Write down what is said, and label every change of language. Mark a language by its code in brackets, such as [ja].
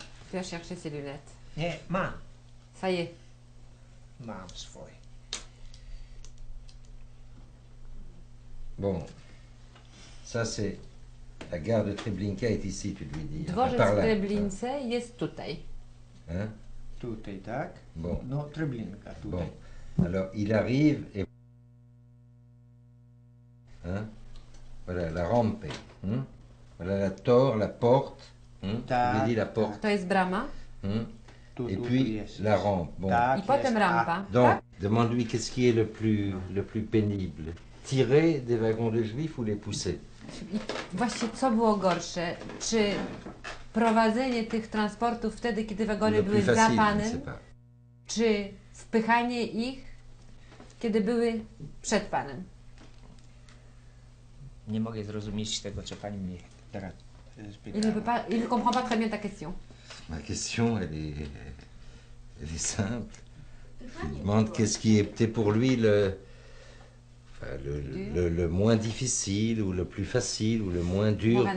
[fr] Tu vas chercher ses lunettes. Ma. Ça y est. [pl] Mam swoje. [fr] Bon. Ça, c'est La gare de Treblinka est ici, tu devais dire. [pl] Dworzec Treblince jest tutaj. [fr] Hein? [pl] Tutaj, tak. [fr] Bon. Non, Treblinka, tutaj. Bon. Alors, il arrive et... Hein? Voilà, la rampe. Hein? Voilà la torre, la porte. Hein? [pl] Tak. [fr] Tu lui dis la porte. [pl] To jest brama. [fr] Hein? Et puis la rampe. Bon. Il faut une rampe. Donc, demande-lui qu'est-ce qui est le plus pénible. Tirer des wagons de juifs ou les pousser? [pl] Właśnie, co było gorsze? Czy prowadzenie tych transportów wtedy, kiedy wagony były zapane? Czy wpychanie ich, kiedy były przed panem? Nie mogę zrozumieć tego, co pani mnie teraz pyta. [fr] Il ne comprend pas très bien ta question. Ma question, elle est simple. Je lui demande qu'est-ce qui était pour lui le moins difficile ou le plus facile ou le moins dur, moralement.